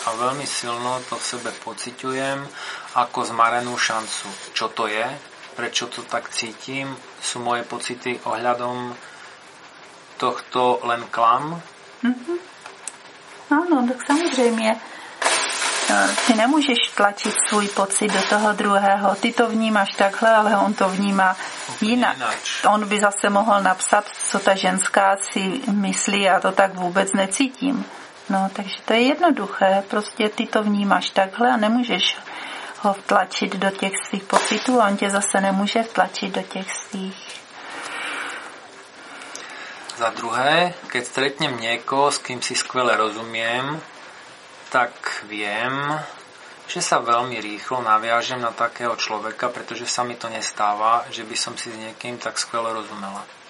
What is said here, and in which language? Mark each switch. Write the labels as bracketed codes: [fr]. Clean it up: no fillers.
[sk] A veľmi silno to v sebe pociťujem ako zmarenú šancu. Čo to je? Prečo to tak cítim? Sú moje pocity ohľadom tohto len klam? Mm-hmm. Áno, tak samozrejme. Ty nemôžeš tlačiť svoj pocit do toho druhého. [cs] Ty to vnímaš takhle, ale on to vníma jinak. On by zase mohol napsat, co ta ženská si myslí, a to tak vůbec necítím. No, takže to je jednoduché. Prostě ty to vnímáš takhle a nemůžeš ho vtlačit do těch svých pocitů a on tě zase nemůže vtlačit do těch svých. [sk] Za druhé, keď stretnem [cs] někoho, [sk] s kým si [cs] skvěle rozumím, [sk] tak viem, že sa veľmi rýchlo naviažem na takého človeka, pretože sa mi to nestáva, že by som si s niekým tak skvelo rozumela.